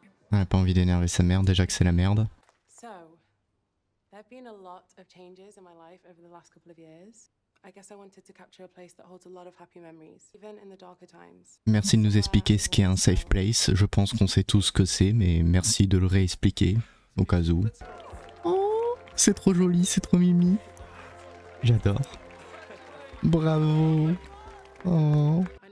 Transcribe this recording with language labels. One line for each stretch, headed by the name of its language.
French: Elle a pas envie d'énerver sa mère, déjà que c'est la merde.
English: There have been a lot of changes in my life over the last couple of years. I guess I wanted to capture a place that holds a lot of happy memories, even in the darker times.
French: Merci de nous expliquer ce qu'est un safe place. Je pense qu'on sait tous ce que c'est, mais merci de le réexpliquer, au cas où. Oh, c'est trop joli, c'est trop mimi. J'adore. Bravo. Oh.